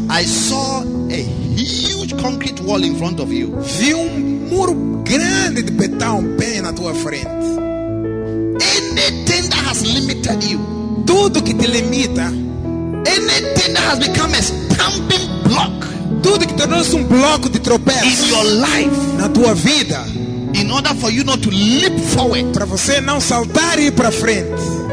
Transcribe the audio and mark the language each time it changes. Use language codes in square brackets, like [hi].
[en] I saw a huge concrete wall in front of you. [pt] Vi muro grande de betão bem na tua frente. [en] Anything that has limited you, [pt] tudo que te limita. [en] Anything that has become a stumbling block, [pt] tudo que tornou-se bloco de tropeço [en] in your life, [pt] na tua vida. [en] In order for you not to leap forward, [pt] para você não saltar e ir para frente.